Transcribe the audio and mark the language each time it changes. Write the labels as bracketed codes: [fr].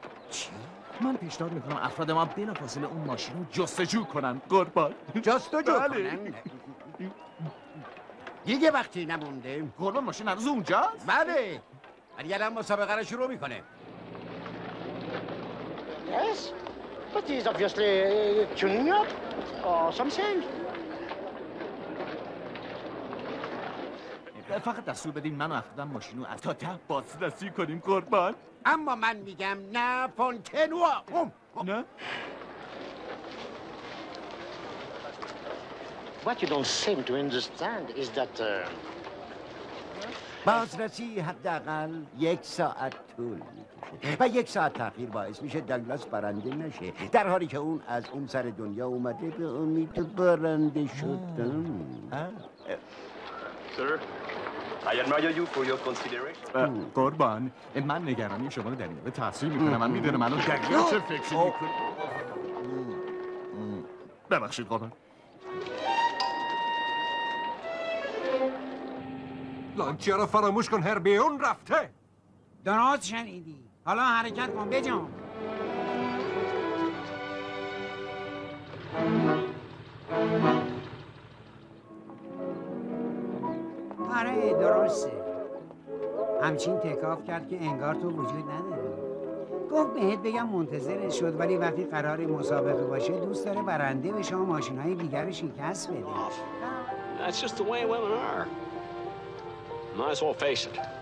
[fa] چی؟ من پیشنهاد میکنم افراد ما بلافاصله اون ماشین رو جستجو کنن قربان. جستجو کنن؟ دیگه وقتی نمونده. قربان ماشین هنوز اونجاست؟ بله، ولی الان مسابقه رو شروع میکنه. [en] Yes, but he's obviously tuning up or something. [fa] فقط دستور بدین من و افرادم ماشین رو از تا ته بازرسی کنیم قربان. اما من میگم نه فونتنوا. نه؟ [en] What you don't seem to understand is that... [fa] بازرسی حداقل یک ساعت طول میکشه و یک ساعت تاخیر باعث میشه دگلاس برنده نشه، در حالی که اون از اون سر دنیا اومده به امید برنده شد. سر، [en] I admire you for your consideration. [fa] قربان، من نگرانی شما رو در این به تاثیر میکنم. من میدونم الان دگلاس چه فکری میکنه. ببخشید قربان. لانچیا رو فراموش کن هربی، اون رفته. درست شنیدی، حالا حرکت کن بجام. آره درسته، همچین تکاف کرد که انگار تو وجود نداری. گفت بهت بگم منتظر شد، ولی وقتی قرار مسابقه باشه دوست داره برنده بشه و ماشینای دیگر رو شکست بده. [en] That's just the way women are. Might as well face it.